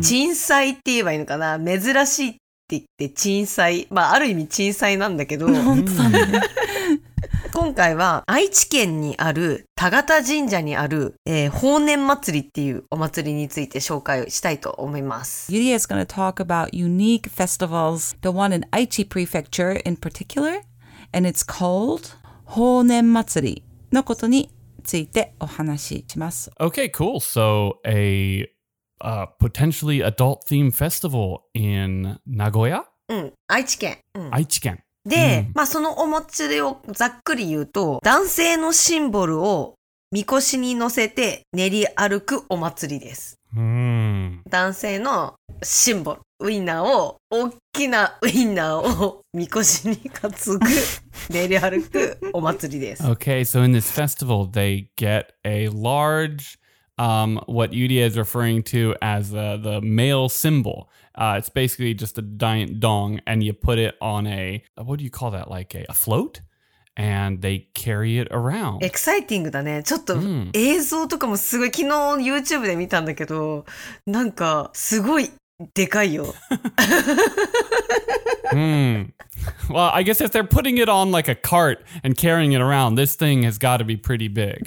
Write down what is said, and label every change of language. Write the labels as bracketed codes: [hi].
[ja] 鎮祭って言えばいいのかな、珍しいって言って鎮祭。まあ、ある意味鎮祭なんだけど。本当だね。今回は愛知県にある田縣神社にある、豊年祭りっていうお祭りについて紹介したいと思います。 [en] Yuria is going to talk about unique festivals, the one in Aichi Prefecture in particular, and it's called [ja] 豊年祭りのことについてお話しします。 [en] Okay, cool. So a potentially adult theme festival in Nagoya? [ja] うん、愛知県。うん、愛知県。で、うん、まあそのお祭りをざっくり言うと、男性のシンボルを神輿に乗せて練り歩くお祭りです。うん、男性のシンボル、ウィンナーを、大きなウィンナーを神輿に担ぐ、練り歩くお祭りです。 [en] Okay, so in this festival, they get a large, what Yuria is referring to as the male symbol. It's basically just a giant dong, and you put it on a, what do you call that, like a float? And they carry it around. [ja] Exciting だね。ちょっと映像とかもすごい。昨日 YouTube で見たんだけど、なんかすごいでかいよ。 [en] Well, I guess if they're putting it on like a cart and carrying it around, this thing has got to be pretty big.